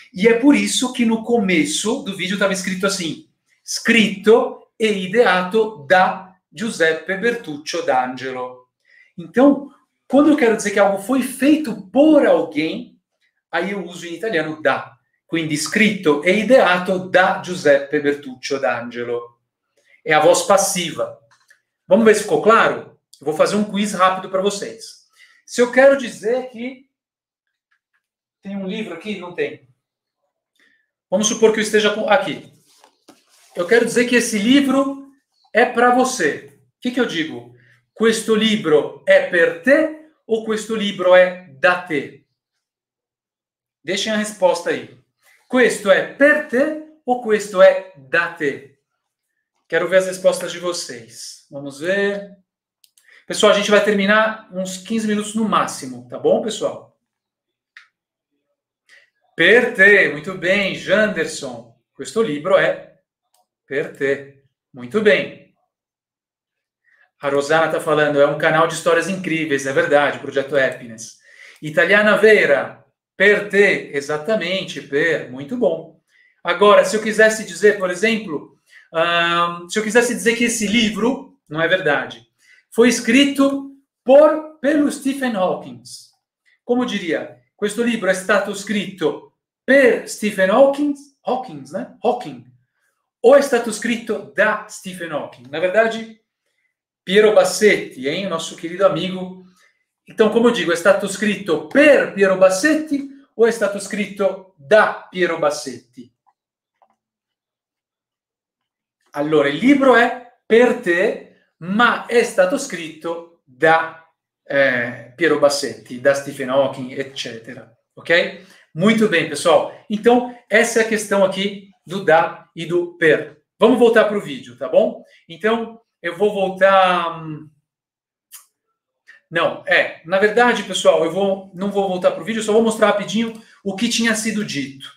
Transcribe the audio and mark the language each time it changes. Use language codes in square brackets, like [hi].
[pt] E é por isso que no começo do vídeo estava escrito assim, scritto e ideato da Giuseppe Bertuccio D'Angelo. Então, quando eu quero dizer que algo foi feito por alguém, aí eu uso em italiano da. [it] Quindi scritto e ideato da Giuseppe Bertuccio D'Angelo. [pt] É a voz passiva. Vamos ver se ficou claro? Eu vou fazer um quiz rápido para vocês. Se eu quero dizer que... Tem um livro aqui? Não tem. Vamos supor que eu esteja com... Aqui. Eu quero dizer que esse livro é para você. O que, que eu digo? [it] Questo libro è per te o questo libro è da te? [pt] Deixem a resposta aí. [it] Questo è per te o questo è da te? [pt] Quero ver as respostas de vocês. Vamos ver. Pessoal, a gente vai terminar uns 15 minutos no máximo, tá bom, pessoal? [it] Per te, muito bem, Janderson. Questo libro è per te. Muito bem. [pt] A Rosana está falando, é um canal de histórias incríveis, é verdade, Projeto Happiness. Italiana Vera, per te, exatamente, per, muito bom. Agora, se eu quisesse dizer, por exemplo, se eu quisesse dizer que esse livro, não é verdade, foi escrito pelo Stephen Hawking. Como diria? [it] Questo libro è stato scritto per Stephen Hawking, Hawking, né? Hawking. Ou è stato scritto da Stephen Hawking? [pt] Na verdade... Piero Bassetti, hein? Nosso querido amigo. [it] Então, como eu digo, é stato scritto per Piero Bassetti ou é stato scritto da Piero Bassetti? Allora, il libro è per te, ma è stato scritto da Piero Bassetti, da Stephen Hawking, eccetera. [pt] Ok? Muito bem, pessoal. Então, essa é a questão aqui do da e do per. Vamos voltar para o vídeo, tá bom? Então... Eu vou voltar... Não, na verdade, pessoal, não vou voltar para o vídeo, só vou mostrar rapidinho o que tinha sido dito.